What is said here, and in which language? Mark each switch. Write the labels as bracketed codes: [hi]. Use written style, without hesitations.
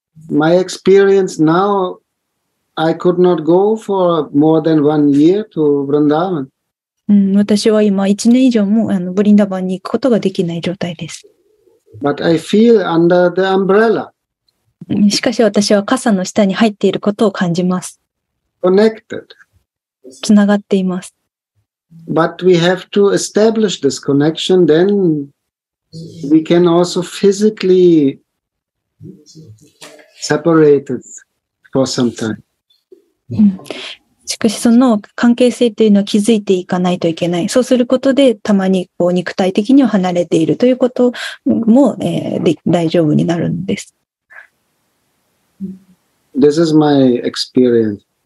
[en] My experience now, I could not go for more than 1 year to Vrindavan. [ja] うん、私は今1年以上もあのブリンダバンに行くことができない状態です。 [en] But I feel under the umbrella. [ja] しかし私は傘の下に入っていることを感じます。 [en] Connected. [ja] つながっています。 [en] But we have to establish this connection, then we can also physically separate it for some time. [ja] しかしその関係性というのは築いていかないといけない。そうすることでたまにこう肉体的には離れているということも、大丈夫になるんです。 [en] This is my experience.